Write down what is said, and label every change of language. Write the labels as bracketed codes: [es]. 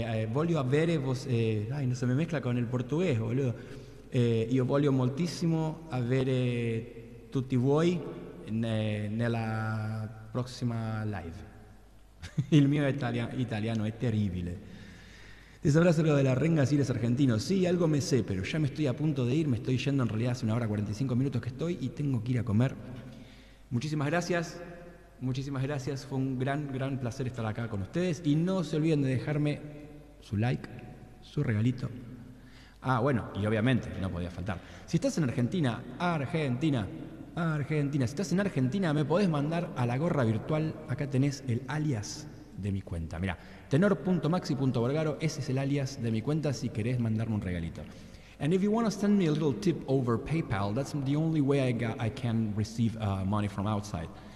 [it] Voglio avere voi, non se mi mezcla con il portugués, boludo. Io voglio moltissimo avere tutti voi nella prossima live. Il mio italiano è terribile. [es] Les abrazo lo de la renga, si eres argentino. Sí, algo me sé, pero ya me estoy a punto de ir. Me estoy yendo, en realidad hace una hora 45 minutos que estoy y tengo que ir a comer. Muchísimas gracias. Muchísimas gracias. Fue un gran, gran placer estar acá con ustedes. Y no se olviden de dejarme su like, su regalito. Ah, bueno, y obviamente, no podía faltar. Si estás en Argentina, Argentina, Argentina. Si estás en Argentina, me podés mandar a la gorra virtual. Acá tenés el alias de mi cuenta. Mirá. Tenor.maxi.borgaro, ese es el alias de mi cuenta si querés mandarme un regalito. [en] And if you want to send me a little tip over PayPal, that's the only way I can receive money from outside.